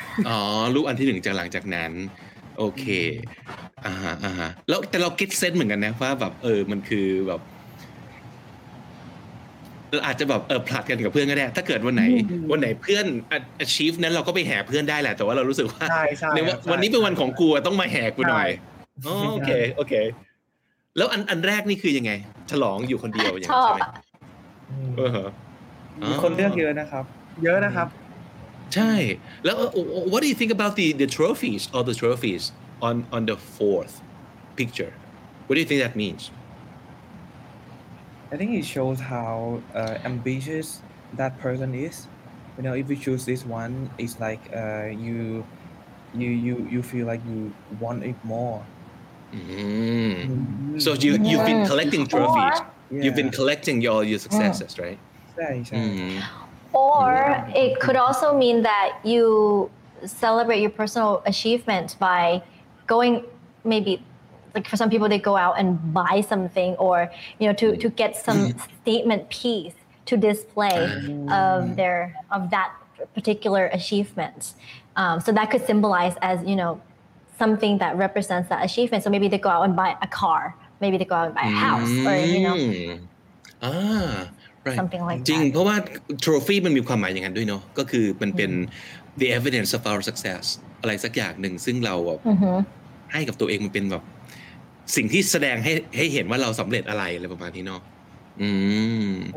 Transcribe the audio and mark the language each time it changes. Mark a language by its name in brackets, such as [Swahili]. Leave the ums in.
[Thai] อ๋อรูปอันที่หนึ่งจากหลังจากนั้น โอเคอ่าฮะอ่าฮะแล้วแต่เราคิดเซนเหมือนกันนะว่าแบบเออมันคือแบบเราอาจจะแบบเออผลัดกันกับเพื่อนก็ได้ ถ้าเกิดวันไหน วันไหนเพื่อน a- achieve นั้นเราก็ไปแห่เพื่อนได้แหละแต่ว่าเรารู้สึกว่า ใช่ใช่ ใน ค วั รั น บใช่ วันนี้เป็นวันของกูอะต้องมาแห่กูหน่อยอ๋อโอเคโอเค แล้วอันอันแรกนี่คือยังไง ฉลองอยู่คนเดียวอย่างนั้นใช่ไหม อืม เออฮะ มีคนเลือกเยอะนะครับ เยอะนะครับ ใช่แล้ว [English] uh, what do you think about the the trophies all the trophies on on the fourth picture what do you think that means I think it shows how uh, ambitious that person is. You know, if you choose this one, it's like uh, you, you, you, you feel like you want it more. Mm. so you you've been collecting trophies you've been collecting your your successes right [Thai] ใช่ใช่ Mm. [English] Or it could also mean that you celebrate your personal achievement by going maybe like for some people they go out and buy something or you know to, to get some statement piece to display of their of that particular achievement um, so that could symbolize as you know something that represents that achievement so maybe they go out and buy a car maybe they go out and buy a house or you know มอ่า right Something like [Thai] จริง [English] that. [Thai] เพราะว่า trophy มันมีความหมายอย่างนั้นด้วยเนาะก็คือมันเป็น [English] the evidence of our success [Thai] อะไรสักอย่างหนึ่งซึ่งเราแบบให้กับตัวเองมันเป็นแบบ สิ่งที่แสดงให้ให้เห็นว่าเราสำเร็จอะไรอะไรประมาณนี้เนาะอืม